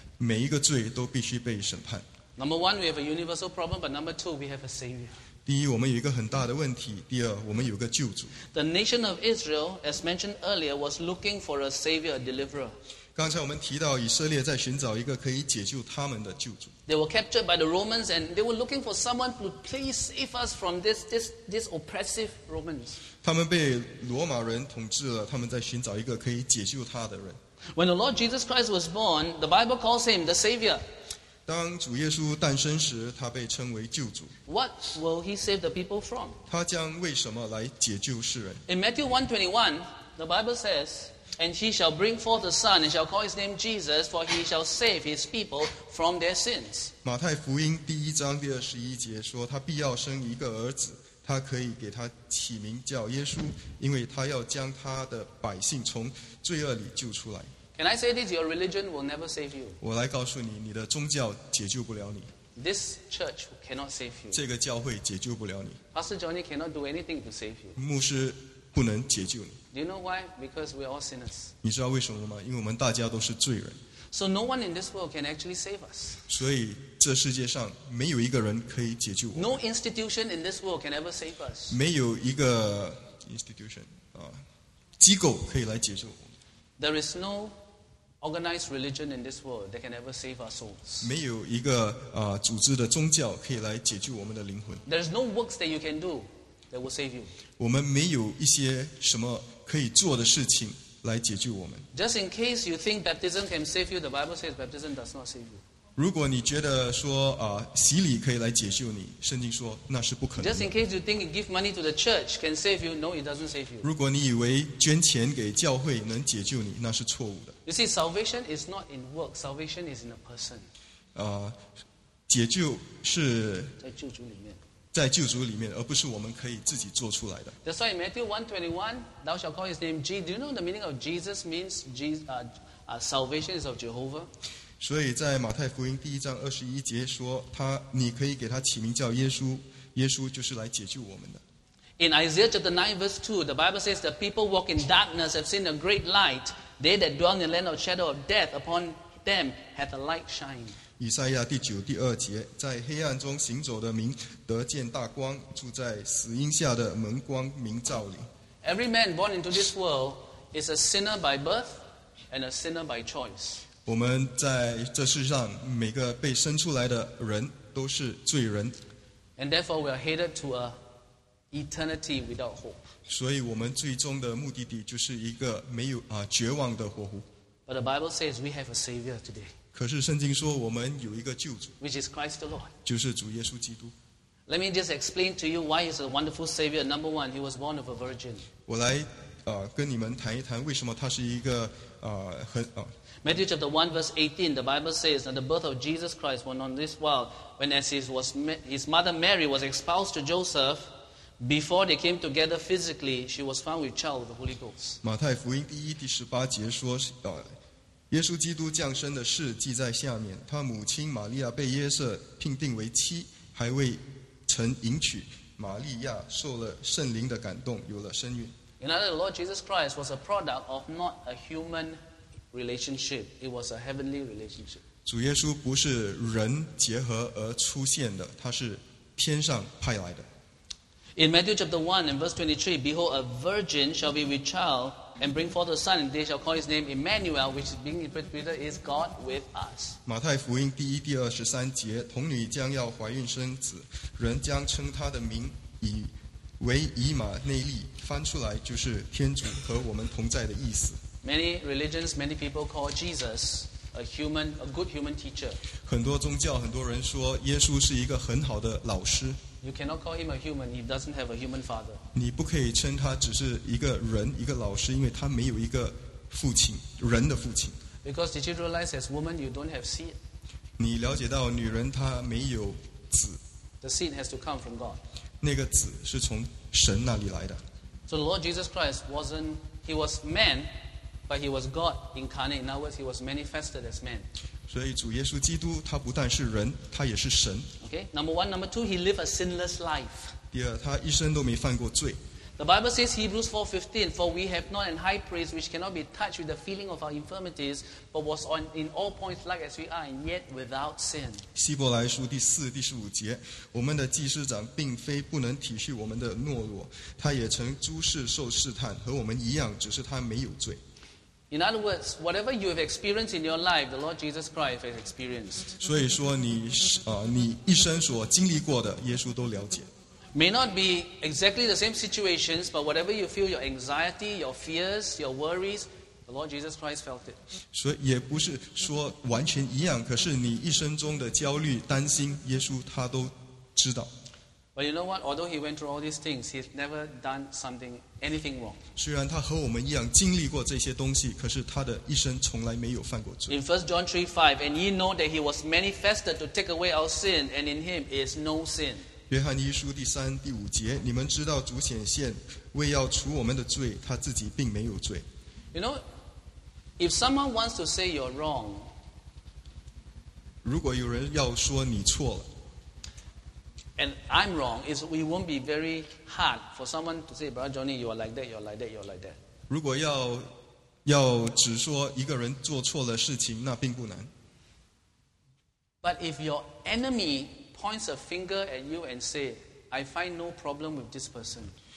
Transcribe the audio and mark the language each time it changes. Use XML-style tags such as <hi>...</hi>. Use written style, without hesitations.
<zh>每一个罪都必须被审判。</zh> <en>Number one, we have a universal problem, but number two, we have a savior.</en> <zh>第一，我们有一个很大的问题；第二，我们有个救主。</zh> <en>The nation of Israel, as mentioned earlier, was looking for a savior, a deliverer.</en> <zh>刚才我们提到以色列在寻找一个可以解救他们的救主。</zh> <en>They were captured by the Romans, and they were looking for someone to please save us from this oppressive Romans.</en> <zh>他们被罗马人统治了，他们在寻找一个可以解救他的人。</zh> <en>When the Lord Jesus Christ was born, the Bible calls him the Savior.</en> <zh>当主耶稣诞生时，他被称为救主。</zh> <en>What will he save the people from?</en> <zh>他将为什么来解救世人</zh> <en>？In Matthew 1:21, the Bible says, "And he shall bring forth a son, and shall call his name Jesus, for he shall save his people from their sins."</en> <zh>马太福音第一章第二十一节说，他必要生一个儿子。他可以给他起名叫耶稣，因为他要将他的百姓从罪恶里救出来。</zh> <en>Can I say this? Your religion will never save you.</en> <zh>我来告诉你，你的宗教解救不了你。</zh> <en>This church cannot save you.</en> <zh>这个教会解救不了你。</zh> <en>Pastor Johnny cannot do anything to save you.</en> <zh>牧师不能解救你。</zh> <en>Do you know why? Because we are all sinners.</en> <zh>你知道为什么吗？因为我们大家都是罪人。</zh> <en>So no one in this world can actually save us.</en> <zh>所以这世界上没有一个人可以解救我。</zh> <en>No institution in this world can ever save us.</en> <zh>没有一个 institution 啊，机构可以来解救我。</zh> <en>There is no organized religion in this world that can ever save our souls.</en> <zh>没有一个啊组织的宗教可以来解救我们的灵魂。</zh> <en>There is no works that you can do that will save you.</en> <zh>我们没有一些什么可以做的事情。来解救我们。</zh> <en>Just in case you think baptism can save you, the Bible says baptism does not save you.</en> <zh>如果你觉得说啊洗礼可以来解救你，圣经说那是不可能。</zh> <en>Just in case you think you give money to the church can save you, no, it doesn't save you.</en> <zh>如果你以为捐钱给教会能解救你，那是错误的。</zh> <en>You see, salvation is not in work. Salvation is in a person.</en> <zh>解救是在救主里面。在救主里面，而不是我们可以自己做出来的。</zh> <en>That's why in Matthew 1:21, thou shalt call his name Jesus. Do you know the meaning of Jesus means salvation is of Jehovah?</en> <zh>所以在马太福音第一章二十一节说，他你可以给他起名叫耶稣，耶稣就是来解救我们的。</zh> <en>In Isaiah chapter 9 verse 2, the Bible says the people walk in darkness have seen a great light. They that dwell in the land of shadow of death upon them hath a light shine.</en> <zh>以赛亚第九第二节，在黑暗中行走的民得见大光，住在死荫下的蒙光明照里。</zh> <en>Every man born into this world is a sinner by birth and a sinner by choice.</en> <zh>我们在这世上每个被生出来的人都是罪人。</zh> <en>And therefore we are headed to a eternity without hope.</en> <zh>所以我们最终的目的地就是一个没有啊绝望的火湖。</zh> <en>But the Bible says we have a Savior today.</en> <zh>可是圣经说我们有一个救主，</zh> <en>which is Christ the Lord.</en> <zh>就是主耶稣基督。</zh> <en>Let me just explain to you why he's a wonderful Savior. Number one, he was born of a virgin.</en> <zh>我来跟你们谈一谈为什么他是一个很啊。</zh> <en>Matthew chapter 1 verse 18, the Bible says that the birth of Jesus Christ went on this world when as his mother Mary was espoused to Joseph. Before they came together physically, she was found with child of the Holy Ghost.</en> <zh>马太福音第一第十八节说，耶稣基督降生的事记在下面。他母亲玛利亚被约瑟聘定为妻，还未曾迎娶。玛利亚受了圣灵的感动，有了身孕。</zh> <en>In other words, the Lord Jesus Christ was a product of not a human relationship; it was a heavenly relationship.</en> <zh>主耶稣不是人结合而出现的，他是天上派来的。</zh> <en>In Matthew chapter 1 and verse 23, behold, a virgin shall be with child and bring forth a son, and they shall call his name Emmanuel, which is being interpreted is God with us.</en> <zh>马太福音第一第二十三节，童女将要怀孕生子，人将称他的名以为以马内利，翻出来就是天主和我们同在的意思。</zh> <en>Many religions, many people call Jesus a good human teacher.</en> <zh>很多宗教，很多人说耶稣是一个很好的老师。</zh> <en>You cannot call him a human. He doesn't have a human father.</en> <zh>你不可以称他只是一个人，一个老师，因为他没有一个父亲，人的父亲。</zh> <en>Because did you realize, as woman, you don't have seed?</en> <zh>你了解到女人她没有子。</zh> <en>The seed has to come from God.</en> <zh>那个子是从神那里来的。</zh> <en>So the Lord Jesus Christ wasn't. He was man, but he was God incarnate. In other words, he was manifested as man.</en> <zh>所以主耶稣基督他不但是人，他也是神。</zh> <en>Okay, number one, number two, he lived a sinless life.</en> <zh>第二，他一生都没犯过罪。</zh> <en>The Bible says, Hebrews 4:15, for we have not an high priest which cannot be touched with the feeling of our infirmities, but was on in all points like as we are, and yet without sin.</en> <zh>希伯来书第4:15节, 我们的祭司长并非不能体恤我们的懦弱, 他也曾诸事受试探, 和我们一样, 只是他没有罪。</zh> <en>In other words, whatever you have experienced in your life, the Lord Jesus Christ has experienced.</en> <zh>所以说你一生所经历过的, 耶稣都了解。</zh> <en>May not be exactly the same situations, but whatever you feel, your anxiety, your fears, your worries, the Lord Jesus Christ felt it.</en> <zh>所以也不是说完全一样, 可是你一生中的焦虑, 担心, 耶稣他都知道。</zh> <en>But you know what? Although he went through all these things, he's never done something, anything wrong.</en> <zh>虽然他和我们一样, 经历过这些东西, 可是他的一生从来没有犯过罪。</zh> <en>In 1 John 3:5, and ye know that he was manifested to take away our sin, and in him is no sin.</en> <zh>约翰一书第3:5节, 你们知道主显现, 为要除我们的罪, 他自己并没有罪。</zh> <en>You know, if someone wants to say you're wrong,</en> <zh>如果有人要说你错了,</zh> <en>and I'm wrong, it won't be very hard for someone to say, Brother Johnny, you are like that, you are like that, you are like that.</en> <zh>如果要只说一个人做错了事情, 那并不难。</zh> <en>But if your enemy points a finger at you and say, I find no problem with this person.</en>